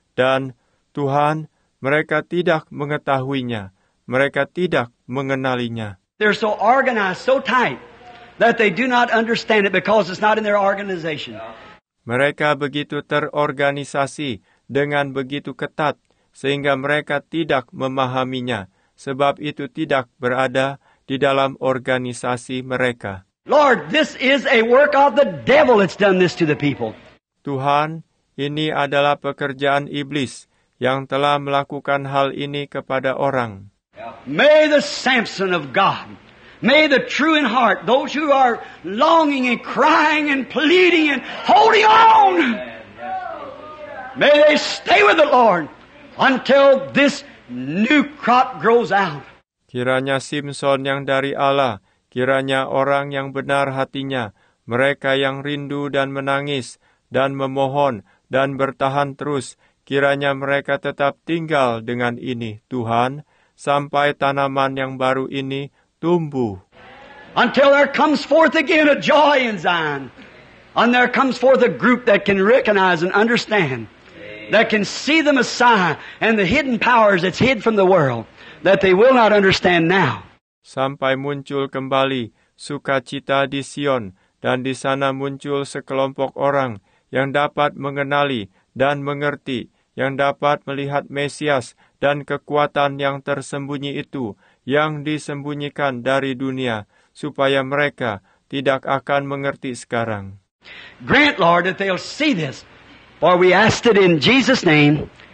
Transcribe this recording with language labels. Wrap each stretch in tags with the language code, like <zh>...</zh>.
<id>Dan Tuhan, mereka tidak mengetahuinya. Mereka tidak mengenalinya.</id> <en>They're so organized, so tight, that they do not understand it because it's not in their organization.</en> <id>Mereka begitu terorganisasi dengan begitu ketat, sehingga mereka tidak memahaminya, sebab itu tidak berada di dalam organisasi mereka.</id> <en>Lord, this is a work of the devil that's done this to the people.</en> <id>Tuhan, ini adalah pekerjaan iblis yang telah melakukan hal ini kepada orang.</id> <en>May the Samson of God, may the true in heart, those who are longing and crying and pleading and holding on, may they stay with the Lord until this new crop grows out.</en> <id>Kiranya Simpson yang dari Allah, kiranya orang yang benar hatinya, mereka yang rindu dan menangis dan memohon dan bertahan terus, kiranya mereka tetap tinggal dengan ini, Tuhan. Sampai tanaman yang baru ini tumbuh.</id> <en>Until there comes forth again a joy in Zion. And there comes forth a group that can recognize and understand. That can see the Messiah and the hidden powers that's hid from the world. That they will not understand now.</en> <id>sampai muncul kembali sukacita di Sion, dan di sana muncul sekelompok orang yang dapat mengenali dan mengerti, yang dapat melihat Mesias dan kekuatan yang tersembunyi itu, yang disembunyikan dari dunia, supaya mereka tidak akan mengerti sekarang.</id> <en>Grant, Lord, that they'll see this, for we ask it in Jesus' name.</en>